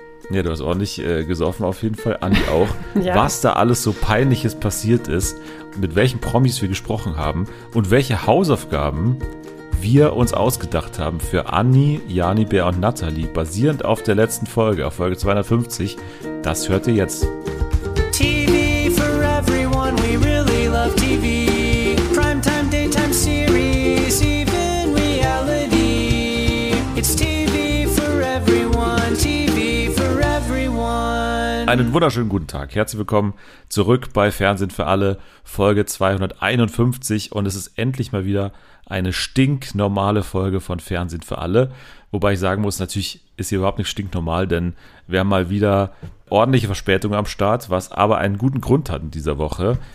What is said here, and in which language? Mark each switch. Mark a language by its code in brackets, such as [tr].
[de] Ja, du hast ordentlich gesoffen auf jeden Fall, Andi auch. Ja. Was da alles so Peinliches passiert ist, mit welchen Promis wir gesprochen haben und welche Hausaufgaben wir uns ausgedacht haben für Andi, Jani, Bär und Nathalie, basierend auf der letzten Folge, auf Folge 250, das hört ihr jetzt. [en] TV for everyone, we really love TV. Primetime, daytime series, even reality. It's TV for everyone, TV for everyone. [de] Einen wunderschönen guten Tag. Herzlich willkommen zurück bei Fernsehen für alle, Folge 251. Und es ist endlich mal wieder eine stinknormale Folge von Fernsehen für alle. Wobei ich sagen muss, natürlich ist hier überhaupt nicht stinknormal, denn wir haben mal wieder ordentliche Verspätungen am Start, was aber einen guten Grund hat in dieser Woche.